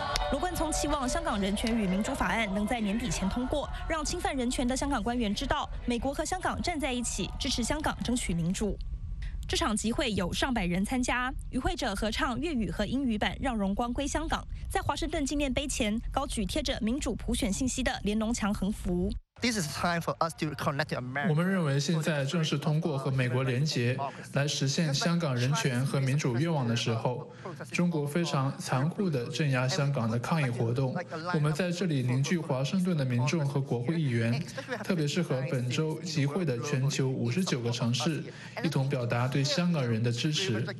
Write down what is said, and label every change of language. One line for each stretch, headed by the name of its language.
Chinese: 罗冠聪期望香港人权与民主法案能在年底前通过，让侵犯人权的香港官员知道美国和香港站在一起，支持香港争取民主。这场集会有上百人参加，与会者合唱粤语和英语版《让荣光归香港》，在华盛顿纪念碑前高举贴着民主普选信息的联农墙横幅。
English: This is time for us to connect America.
Chinese: 我们认为现在正是通过和美国联结来实现香港人权和民主愿望的时候。中国非常残酷地镇压香港的抗议活动，我们在这里凝聚华盛顿的民众和国会议员，特别是和本周集会的全球59个城市一同表达对香港人的支持。